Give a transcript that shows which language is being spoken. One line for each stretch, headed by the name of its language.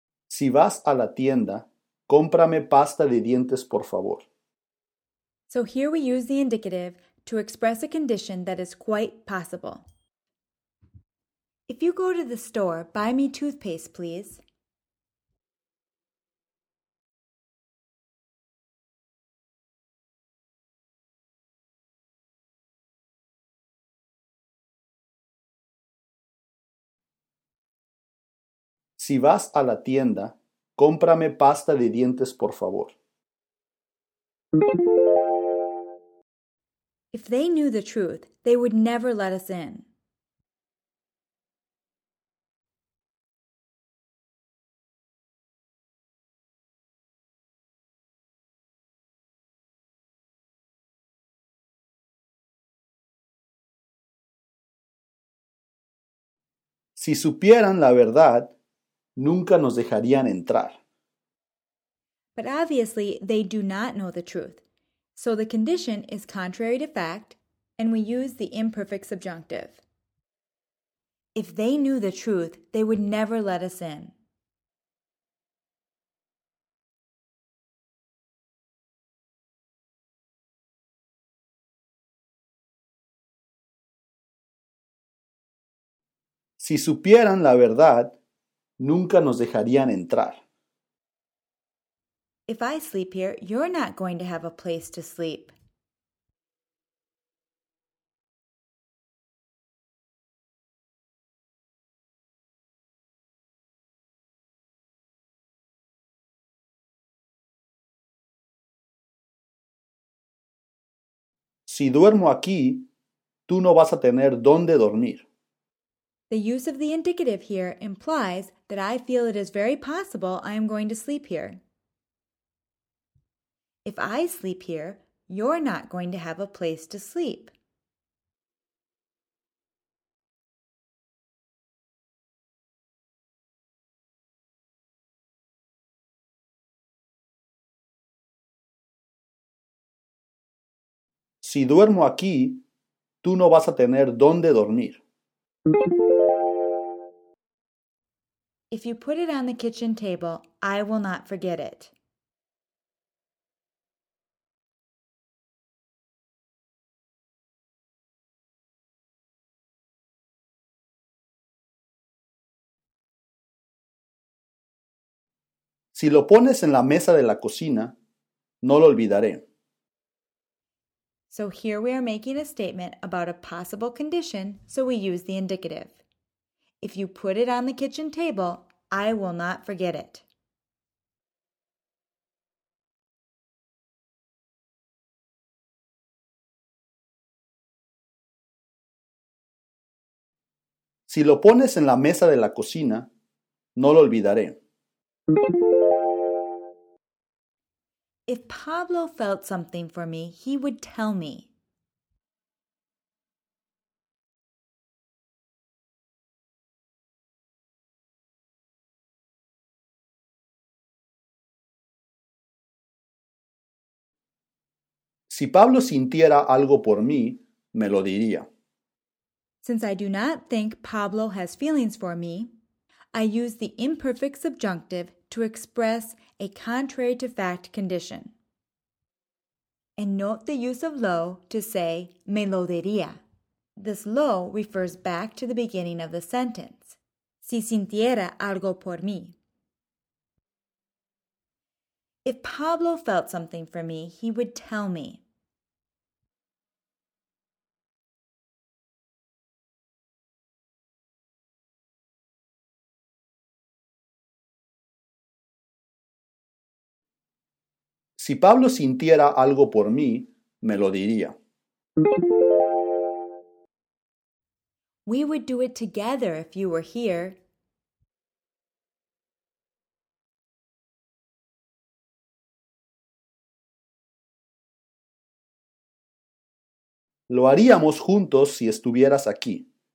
Spanish: Si vas a la tienda, cómprame pasta de dientes, por favor.
English: So here we use the indicative to express a condition that is quite possible. If you go to the store, buy me toothpaste, please.
Spanish: Si vas a la tienda, cómprame pasta de dientes, por favor.
English: If they knew the truth, they would never let us in.
Spanish: Si supieran la verdad, nunca nos dejarían entrar.
English: But obviously, they do not know the truth. So the condition is contrary to fact, and we use the imperfect subjunctive. If they knew the truth, they would never let us in.
Spanish: Si supieran la verdad, nunca nos dejarían entrar.
English: If I sleep here, you're not going to have a place to sleep.
Spanish: Si duermo aquí, tú no vas a tener dónde dormir.
English: The use of the indicative here implies that I feel it is very possible I am going to sleep here. If I sleep here, you're not going to have a place to sleep.
Spanish: Si duermo aquí, tú no vas a tener dónde dormir.
English: If you put it on the kitchen table, I will not forget it.
Spanish: Si lo pones en la mesa de la cocina, no lo olvidaré.
English: So here we are making a statement about a possible condition, so we use the indicative. If you put it on the kitchen table, I will not forget it.
Spanish: Si lo pones en la mesa de la cocina, no lo olvidaré.
English: If Pablo felt something for me, he would tell me.
Spanish: Si Pablo sintiera algo por mí, me lo diría.
English: Since I do not think Pablo has feelings for me, I use the imperfect subjunctive to express a contrary to fact condition. And note the use of lo to say
Spanish: me lo diría.
English: This lo refers back to the beginning of the sentence.
Spanish: Si sintiera algo por mí.
English: If Pablo felt something for me, he would tell me.
Spanish: Si Pablo sintiera algo por mí, me lo diría.
English: We would do it together if you were here.
Spanish: Lo haríamos juntos si estuvieras aquí.